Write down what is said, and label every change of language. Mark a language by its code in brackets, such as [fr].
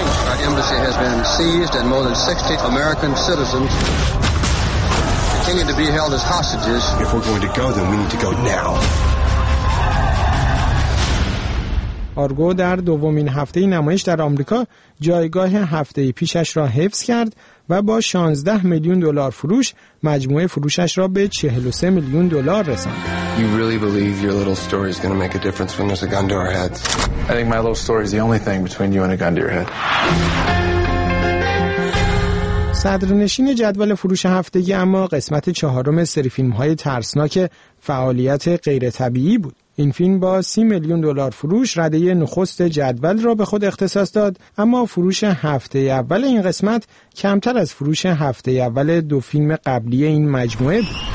[en] Our embassy has been seized and more than 60 American citizens continue to be held as hostages. If we're going to go, then we need to go now. [fa] آرگو در دومین هفته نمایش در آمریکا جایگاه هفته پیشش را حفظ کرد و با 16 میلیون دلار فروش مجموعه فروشش را به 43 میلیون دلار رساند. [en] You really believe your little story is going to make a difference when there's a gun to our heads? I think my little story is the only thing between you and a gun to your head. [fa] صدرنشین جدول فروش هفتگی اما قسمت چهارم سری فیلم‌های ترسناک فعالیت غیرطبیعی بود. این فیلم با 30 میلیون دلار فروش رده نخست جدول را به خود اختصاص داد، اما فروش هفته اول این قسمت کمتر از فروش هفته اول دو فیلم قبلی این مجموعه بود.